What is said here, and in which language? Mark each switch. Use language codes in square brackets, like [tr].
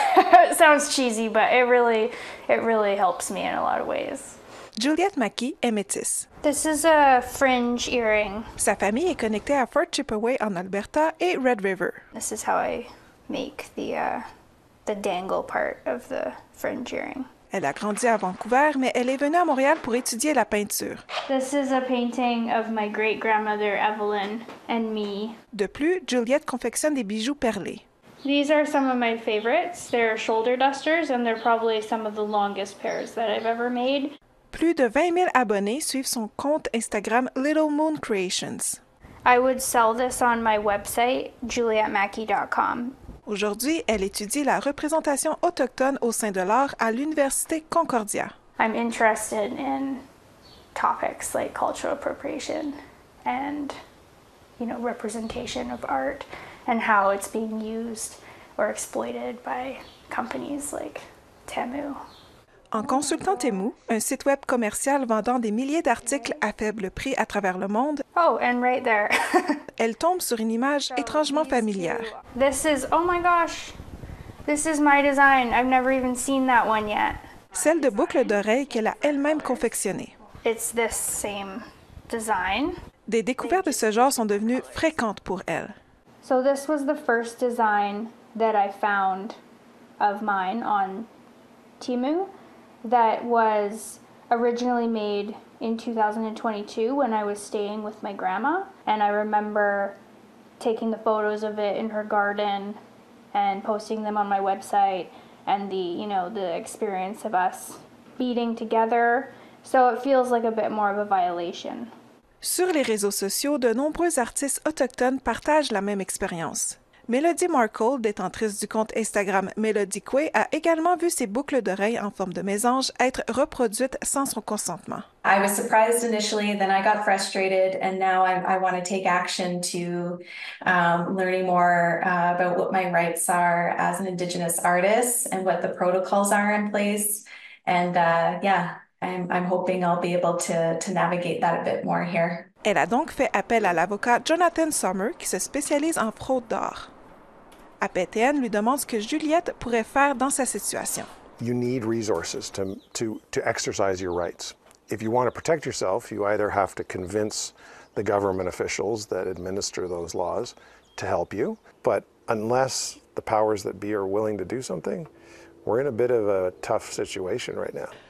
[en] It sounds cheesy, but it really helps me in a lot of ways. [fr] Juliette Mackie est métisse. [en] This is a fringe earring. [fr] Sa famille est connectée à Fort Chippeway en Alberta et Red River. [en] This is how I make the dangle part of the fringe earring. [fr] Elle a grandi à Vancouver, mais elle est venue à Montréal pour étudier la peinture. [en] This is a painting of my great-grandmother Evelyn and me. [fr] De plus, Juliette confectionne des bijoux perlés. [en] These are some of my favorites. They're shoulder dusters and they're probably some of the longest pairs that I've ever made. [fr] Plus de 20 000 abonnés suivent son compte Instagram Little Moon Creations. [en] I would sell this on my website juliettemackie.com. [fr] Aujourd'hui, elle étudie la représentation autochtone au sein de l'art à l'Université Concordia. [en] I'm interested in topics like cultural appropriation and, you know, representation of art and how it's being used or exploited by companies like Temu. [fr] En consultant Temu, un site web commercial vendant des milliers d'articles à faible prix à travers le monde, [en] oh, and right there. [fr] Elle tombe sur une image étrangement familière. [en] This is, oh my gosh, this is my design. I've never even seen that one yet. [fr] Celle de boucles d'oreilles qu'elle a elle-même confectionnée. [en] It's this same design. [fr] Des découvertes de ce genre sont devenues fréquentes pour elle. [en] So this was the first design that I found of mine on Temu. That was originally made in 2022 when I was staying with my grandma. And I remember taking the photos of it in her garden and posting them on my website and the experience of us beading together. So it feels like a bit more of a violation. [fr] Sur les réseaux sociaux, de nombreux artistes autochtones partagent la même expérience. Mélodie Markle, détentrice du compte Instagram Mélodie Kwe, a également vu ses boucles d'oreilles en forme de mésange être reproduites sans son consentement. [en] I was surprised initially, then I got frustrated, and now I want to take action to learning more about what my rights are as an Indigenous artist and what the protocols are in place. And I'm hoping I'll be able to navigate that a bit more here. [fr] Elle a donc fait appel à l'avocat Jonathan Sommer, qui se spécialise en fraude d'or. APTN lui demande ce que Juliette pourrait faire dans sa situation. [en] You need resources to exercise your rights. If you want to protect yourself, you either have to convince the government officials that administer those laws to help you. But unless the powers that be are willing to do something, we're in a bit of a tough situation right now.